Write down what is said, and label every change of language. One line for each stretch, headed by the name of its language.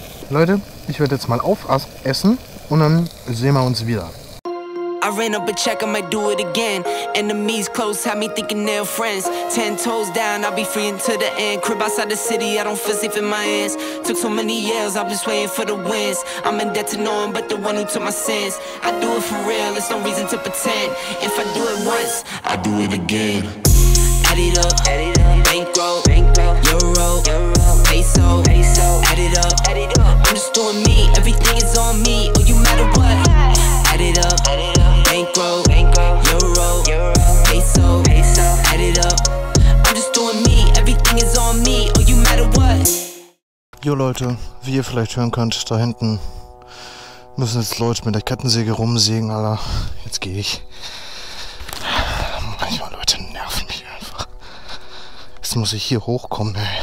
German: Leute, ich werde jetzt mal aufessen und dann sehen wir uns wieder.
English: I ran up a check, I might do it again. Enemies close, have me thinking they're friends. 10 toes down, I'll be free until the end. Crib outside the city, I don't feel safe in my hands. Took so many years, I'm just waiting for the wins. I'm in debt to no one but the one who took my sins. I do it for real, there's no reason to pretend. If I do it once, I do it again. Add it up, bankroll, euro, peso, add it up. I'm just doing me, everything is on me. Oh, you matter what? Add it up, bankroll, euro, peso, add it up. I'm just doing me, everything is on me. Oh, you matter what?
German: Jo Leute, wie ihr vielleicht hören könnt, da hinten müssen jetzt Leute mit der Kettensäge rumsägen, Alter. Jetzt gehe ich. Manchmal Leute nerven mich einfach. Jetzt muss ich hier hochkommen, ey.